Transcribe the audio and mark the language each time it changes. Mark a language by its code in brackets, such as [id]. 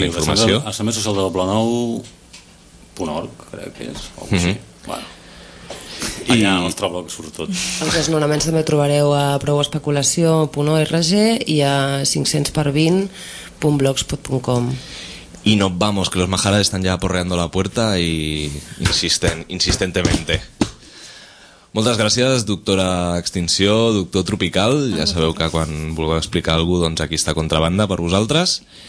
[ca] la informació. Sí, el social de poblenou.org, crec que és, o així. Mm-hmm. Bueno. Allà al nostre blog surt tot. Els desnonaments també trobareu a prouespeculació.org i a 500x20.blogspot.com. [es] Y nos vamos, que los majares están ya porreando la puerta y insistentemente. [ca] Moltes gràcies, doctora Extinció, doctor Tropical. Ja sabeu que quan vulgueu explicar alguna cosa, doncs aquí està Contrabanda per vosaltres.